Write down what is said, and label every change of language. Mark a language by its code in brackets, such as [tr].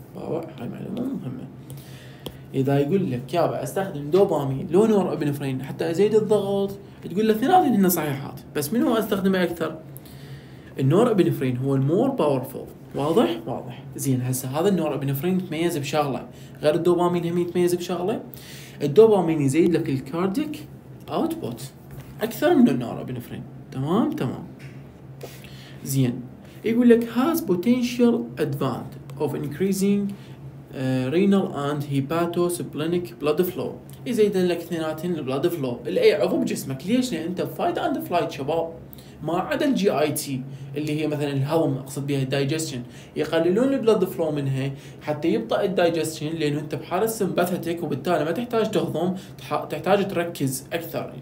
[ar] هاي معلومه مهمه. اذا يقول لك يابا استخدم دوبامين لو نور ابنفرين حتى ازيد الضغط، تقول له اثنيناتهم هن صحيحات، بس من هو استخدمه اكثر؟ النور ابنفرين هو المور باورفول، واضح واضح زين. هسه هذا النور ابنفرين يتميز بشغله غير الدوبامين، هم يتميز بشغله، الدوبامين يزيد لك الكارديك اوتبوت اكثر من النور ابنفرين. تمام تمام زين. يقول لك [en] has potential advantage of increasing renal and hepatosplenic blood flow. [ar] يزيد لك اثنيناتين البلاد فلو لاي عضو بجسمك. ليش؟ لان انت فايت اند فلايت شباب، ما عدا الجي اي تي اللي هي مثلا الهضم، اقصد بها الدايجستشن، يقللون البلاد فلو منها حتى يبطا الدايجستشن، لانه انت بحاله سمباثيتك وبالتالي ما تحتاج تهضم، تحتاج تركز اكثر.